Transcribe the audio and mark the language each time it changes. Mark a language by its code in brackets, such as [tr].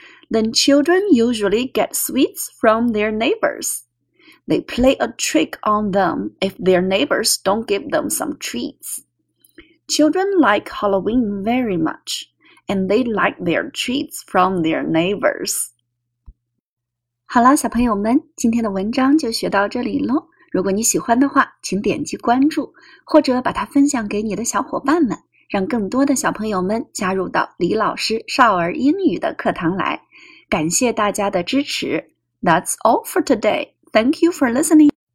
[en] Then children usually get sweets from their neighbors. They play a trick on them if their neighbors don't give them some treats. Children like Halloween very much, and they like their treats from their neighbors. [zh] 好了，小朋友们，今天的文章就学到这里咯。如果你喜欢的话，请点击关注，或者把它分享给你的小伙伴们，让更多的小朋友们加入到李老师少儿英语的课堂来。感谢大家的支持。 [en] That's all for today. Thank you for listening.